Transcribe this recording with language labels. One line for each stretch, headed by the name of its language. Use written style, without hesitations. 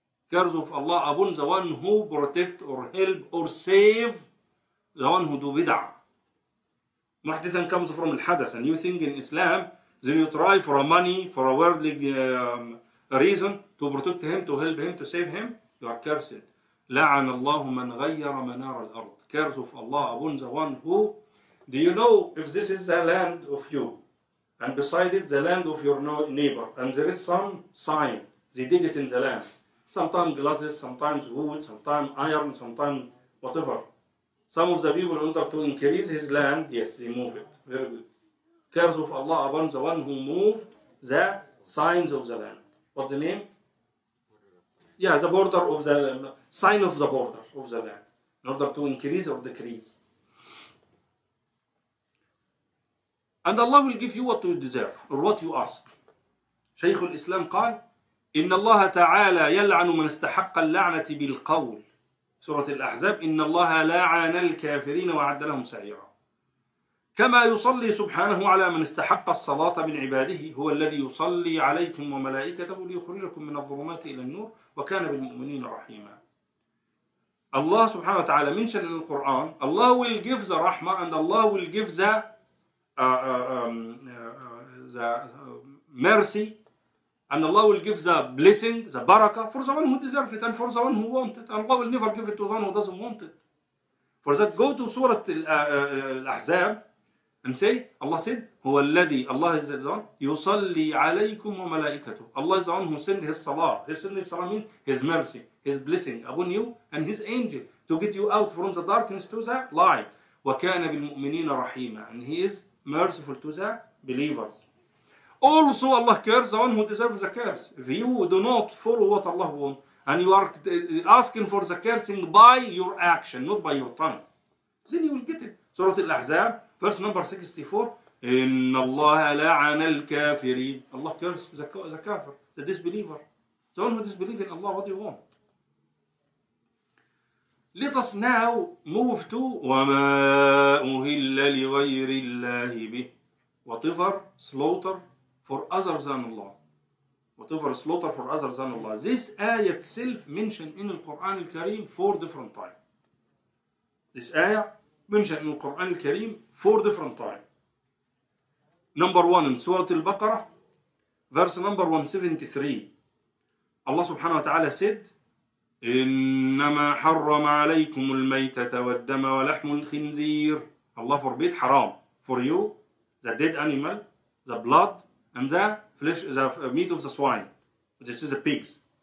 English: Curse of Allah upon the one who protect or help or save the one who do bid'a. محدثا comes from الحدث. And you think in Islam, then you try for a money, for a worldly reason to protect him, to help him, to save him, you are cursed.
Arabic: لعن الله من غير منار الأرض.
English: Curse of Allah upon the one who, do you know if this is the land of you and beside it the land of your neighbor and there is some sign, they dig it in the land, sometimes glasses, sometimes wood, sometimes iron, sometimes whatever, some of the people in order to increase his land, yes, they move it, very good. Curse of Allah upon the one who moved the signs of the land. What the name? Yeah, the border of the land, sign of the border of the land, in order to increase or decrease. And Allah will give you what you deserve or what you ask.
Arabic: Shaykh al-Islam قال, إن الله تعالى يلعن من استحق اللعنة بالقول. سورة الأحزاب, إن الله لعن الكافرين وعد لهم سعيرا. كما يصلي سبحانه على من استحق الصلاة من عباده, هو الذي يصلي عليكم وملائكته ليخرجكم من الظلمات إلى النور وكان بالمؤمنين رحيما.
English: Allah subhanahu wa ta'ala mentioned in the Quran, Allah will give the rahmah and Allah will give the mercy and Allah will give the blessing, the barakah for the one who deserves it and for the one who wants it. And Allah will never give it to the one who doesn't want it. For that, go to Surah Al-Ahzab and say, Allah said, هُوَ الَّذِي, Allah is the one, يُصَلِّي عَلَيْكُمْ وَمَلَائِكَتُهُ. Allah is the one who send His salah. His sending salah means His mercy, His blessing upon you and His angel to get you out from the darkness to the light. وَكَانَ بِالْمُؤْمِنِينَ رَحِيمًا. And He is merciful to the believers. Also, Allah cares the one who deserves the curse. If you do not follow what Allah wants and you are asking for the cursing by your action, not by your tongue, then you will get it.
Arabic: سورة الأحزاب verse number 64 إن الله لعن الكافرين.
English: الله curse the كافر the disbeliever the one who disbelieve in Allah. What do you want? Let us now move to وما أهل لغير الله به. Whatever slaughter for others than Allah. Whatever slaughter for others than Allah. This ayah itself mentioned in the Quran al-Kareem four different times. This ayah mentioned in the Quran al-Kareem four different times. Number one in Surah Al-Baqarah, verse number 173.
Arabic: Allah subhanahu wa ta'ala said, إنما حرم عليكم الميتة والدم ولحم الخنزير.
English: Allah forbid حرام for you the dead animal, the blood, and the flesh, the meat of the swine, which is the pigs.